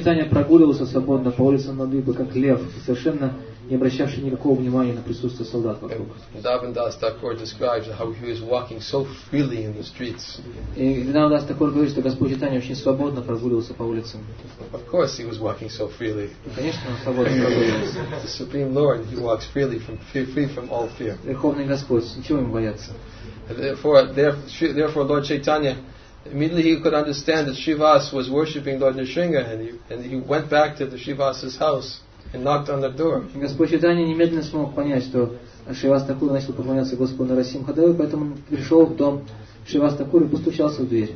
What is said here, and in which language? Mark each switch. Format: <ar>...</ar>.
<ru>Прогуливался свободно по улицам Навадвипа, как лев, совершенно не обращавший никакого внимания на присутствие солдат вокруг.</ru> <en>Дабандас Такур describes how he was walking so freely in the streets.</en> <ru>И Дабандас Такур говорит, что Господь Чайтанья очень свободно прогуливался по улицам.</ru> <en>Of course he was walking so freely.</en> <ru>Конечно, он свободно прогуливался.</ru> <en>The Supreme Lord, he walks freely from free from all fear.</en> <ru>Верховный Господь, ничего ему бояться.</ru> <en>Therefore Lord Chaitanya, immediately he could understand that Shivas was worshipping Lord Nrisimha, and he went back to the Shivas's house and knocked on the door.</en> <ru>Господь Чайтанья немедленно смог понять, что Шривастакура начал поклоняться Господу Нарасимхадеве, поэтому он пришел в дом Шривастакура и постучался в дверь.</ru>